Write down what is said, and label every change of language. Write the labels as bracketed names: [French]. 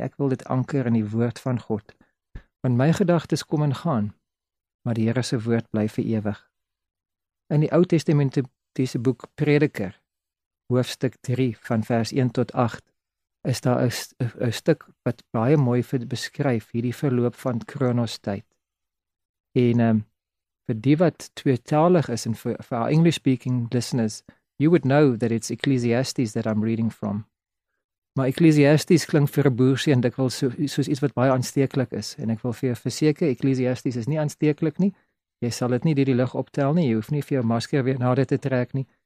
[Afrikaans] Ek wil dit anker in die woord van God. Want my gedagtes kom en gaan, maar die Here se woord bly vir ewig. In die Ou Testamentiese boek Prediker, hoofstuk 3 van vers 1 tot 8, is daar 'n stuk wat baie mooi vir beskryf hierdie verloop van Kronos tyd. En vir die wat tweetalig is en vir [English] our English speaking listeners, you would know that it's Ecclesiastes that I'm reading from. [Afrikaans] Maar Ecclesiastes klink vir 'n boersie en dikwels soos iets wat baie aansteeklik is. En ek wil vir jou verseker, Ecclesiastes is nie aansteeklik nie. Jy sal dit nie deur die lug optel nie. Jy hoef nie vir jou masker weer na dit te trek nie.